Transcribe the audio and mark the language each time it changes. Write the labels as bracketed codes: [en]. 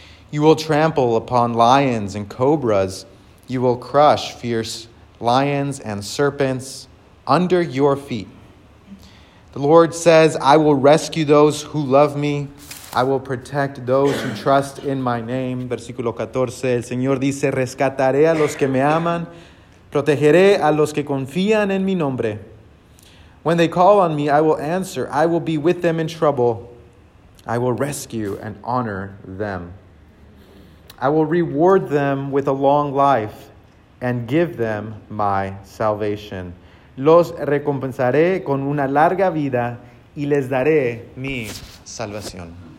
[en] You will trample upon lions and cobras. You will crush fierce lions and serpents under your feet. The Lord says, I will rescue those who love me. I will protect those who trust in my name. [es] Versículo 14. El Señor dice, rescataré a los que me aman. Protegeré a los que confían en mi nombre. [en] When they call on me, I will answer. I will be with them in trouble. I will rescue and honor them. I will reward them with a long life and give them my salvation. [es] Los recompensaré con una larga vida y les daré mi salvación.